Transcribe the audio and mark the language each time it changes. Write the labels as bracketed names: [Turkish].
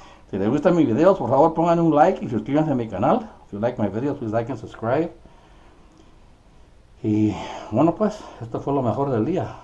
[Spanish] Si les gustan mis videos, por favor pongan un like y suscríbanse a mi canal. [English] If you like my videos, please like and subscribe. [Spanish] Y bueno, pues, esto fue lo mejor del día.